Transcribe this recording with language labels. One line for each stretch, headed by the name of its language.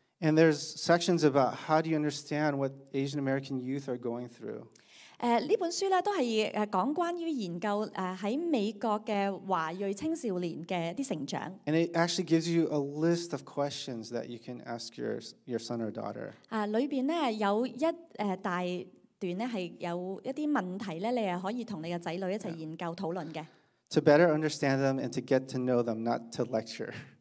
English: And there's sections about how do you understand what Asian American youth are going through.
Cantonese: 呢本書咧都係講關於研究喺美國嘅華裔青少年嘅啲成長。
English: And it actually gives you a list of questions that you can ask your son or daughter.
Cantonese: 裏邊咧有一大段咧係有一啲問題咧，你係可以同你嘅仔女一齊研究討論嘅。
English: To better understand them and to get to know them, not to lecture.